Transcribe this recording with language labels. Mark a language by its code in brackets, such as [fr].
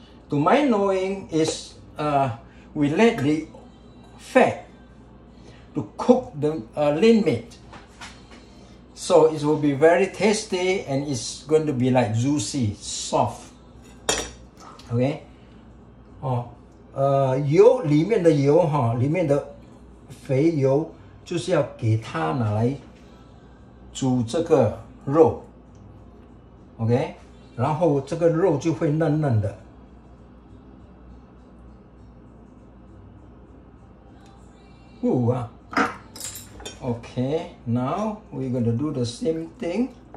[en] To my knowing is we let the fat to cook the lean meat. So it will be very tasty and it's going to be like juicy, soft. Okay. Oh. [zh] 油里面的油哈，里面的肥油就是要给它拿来煮这个肉 ，OK， 然后这个肉就会嫩嫩的。 [en] 哇 ，OK， now we're going to do the same thing.